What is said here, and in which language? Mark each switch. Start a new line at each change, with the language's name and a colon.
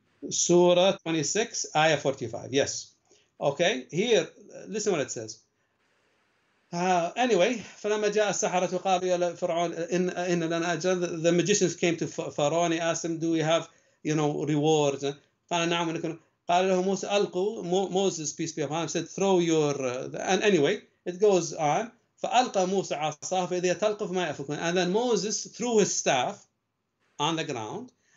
English: Surah 26, Ayah 45, yes. Okay, here, listen what it says. Anyway,
Arabic: فَلَمَّا جَاءَ السَّحَرَةُ قَالُوا يَا لَفِرْعَوْنَ إِنَّ لَنَا أَجْرًا.
English: The magicians came to Pharaoh and asked him, do we have, rewards? Moses, peace be upon him, said, throw your... and anyway, it goes on.
Arabic: فَأَلْقَ مُوسَ عَصَاهُ فَإِذِيَ تَلْقُفْ مَا يَفُكُونَ.
English: And then Moses threw his staff on the ground.